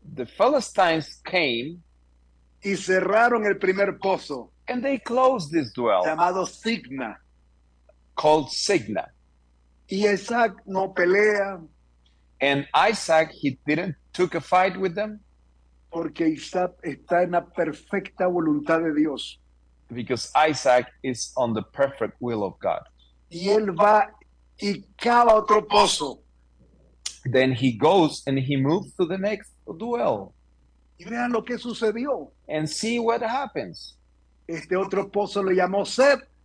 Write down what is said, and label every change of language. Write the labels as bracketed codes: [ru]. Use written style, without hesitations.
[en] the Philistines came, [es] y cerraron el primer pozo, [en] and they closed this dwell, [es] llamado Signa, [en] called Signa. [es] Y Isaac no pelea, [en] and Isaac, he didn't took a fight with them, [es] porque Isaac está en la perfecta voluntad de Dios. [en] Because Isaac is on the perfect will of God. [es] Y él va y cava otro pozo. [en] Then he goes and he moves to the next dwell. [es] Y vean lo que sucedió. [en] And see what happens. [es] Este otro pozo lo llamó Set.